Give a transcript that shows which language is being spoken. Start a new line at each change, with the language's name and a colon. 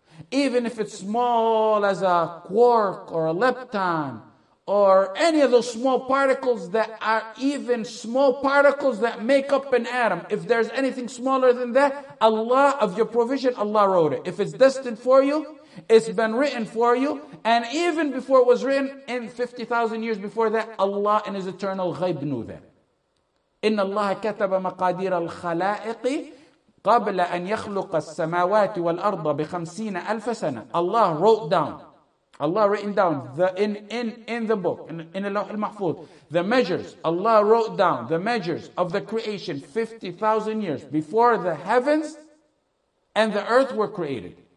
English: Even if it's small as a quark or a lepton or any of those small particles that are even small particles that make up an atom. If there's anything smaller than that, Allah of your provision, Allah wrote it. If it's destined for you, it's been written for you. And even before it was written, in 50,000 years before that, Allah in His eternal ghayb knew that.
Arabic: إِنَّ اللَّهَ كَتَبَ مَقَادِيرَ الْخَلَائِقِ قبل أن يخلق السماوات والأرض بخمسين ألف سنة.
English: Allah wrote down. Allah written down the in the book in اللوح المحفوظ. The measures. Allah wrote down the measures of the creation 50,000 years before the heavens and the earth were created.